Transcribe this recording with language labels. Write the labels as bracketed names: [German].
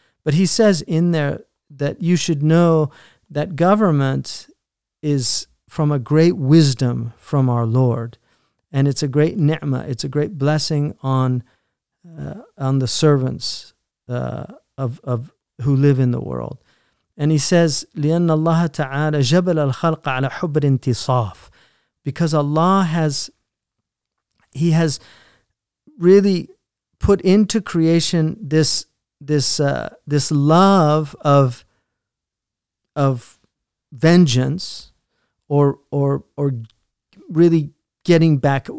[English] But he says in there that you should know that government is from a great wisdom from our Lord. And it's a great ni'mah. It's a great blessing on the servants of who live in the world. [Arabic] And he says, لأن الله تعالى جبل الخلق على حب الانتصاف. [English] Because Allah has, he has really put into creation this love of vengeance or really getting back.